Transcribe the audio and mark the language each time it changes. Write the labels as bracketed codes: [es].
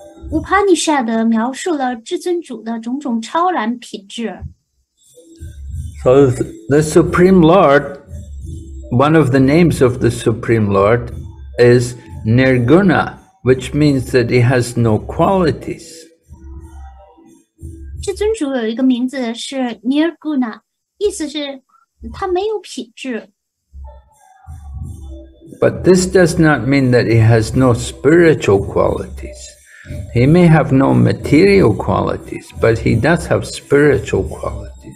[zh] Upanishad 描述了至尊主的种种超然品质。 [en] So the Supreme Lord, one of the names of the Supreme Lord is Nirguna, which means that he has no qualities. [zh] 至尊主有一个名字是 Nirguna, 意思是他没有品质。 [en] But this does not mean that he has no spiritual qualities. He may have no material qualities, but he does have spiritual qualities.